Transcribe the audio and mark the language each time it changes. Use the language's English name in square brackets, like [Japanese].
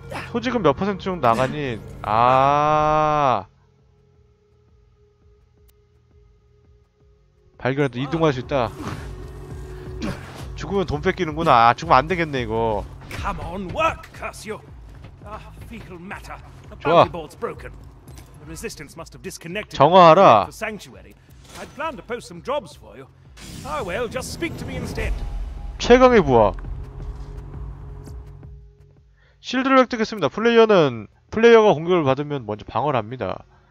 [Korean] 소지금 몇 퍼센트 정도 나가니? 아. 발견해도 이동할 수 있다. 죽으면 돈 뺏기는구나. 아, 죽으면 안 되겠네 이거. [English] Come on, work, curse you. Fecal matter. The bounty board's broken. The resistance must have disconnected. [Korean] 정화하라. Sanctuary. [English] I'd planned to post some jobs for you. Ah well, just speak to me instead. [Korean] 최강의 부하. 실드를 획득했습니다. 플레이어는 플레이어가 공격을 받으면 먼저 방어를 합니다.